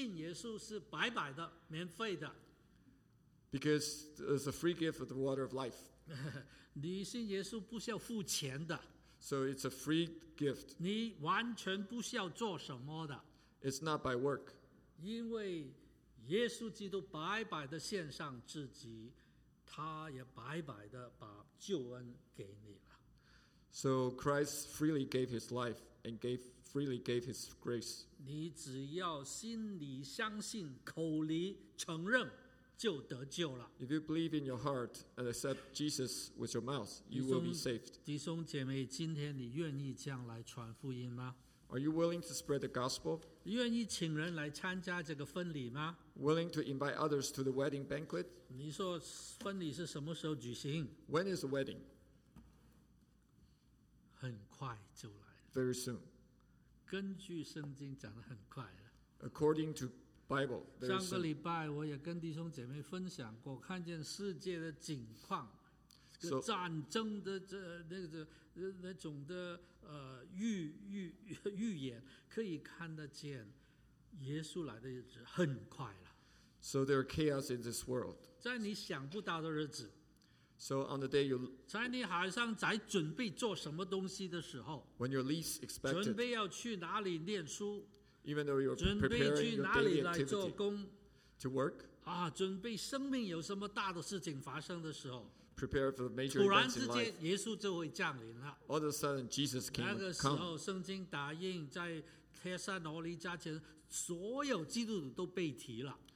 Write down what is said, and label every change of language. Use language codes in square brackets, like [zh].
[zh] 同时告诉那些朋友说，信耶稣是白白的，免费的。 [en] Because it's a free gift of the water of life. [zh] 你信耶稣不需要付钱的。 [en] So it's a free gift. [zh] 你完全不需要做什么的。 [en] It's not by work. [zh] 因为耶稣基督白白的献上自己， 他也白白的把救恩给你了。 [en] So Christ freely gave his life and freely gave his grace. [zh] 你只要心里相信，口里承认，就得救了。 [en] If you believe in your heart and accept Jesus with your mouth, you will be saved. [zh] 弟兄姐妹，今天你愿意这样来传福音吗？ [en] Are you willing to spread the gospel? [zh] 愿意请人来参加这个婚礼吗？ [en] Willing to invite others to the wedding banquet? [zh] 你说婚礼是什么时候举行？ [en] When is the wedding? [zh] 很快就来了, [en] very soon. [zh] 根据圣经讲得很快了。 [en] According to Bible, very soon. [zh] 上个礼拜我也跟弟兄姐妹分享过, 看见世界的景况, 战争的那种的预言, 可以看得见, 耶稣来的日子很快了。 [en] So there are chaos in this world. [zh] 在你想不到的日子, [en] So on the day you [zh] 在你好像在准备做什么东西的时候， [en] When you're least expected， [zh] 准备要去哪里念书， [en] Even though you're preparing your daily activity to work， [zh] 准备生命有什么大的事情发生的时候， [en] Prepare for the major events in life， [zh] 突然之间耶稣就会降临了。 [en] All of a sudden Jesus came， [zh] 那个时候圣经答应在帖撒罗尼迦前， 所有基督徒都被提了。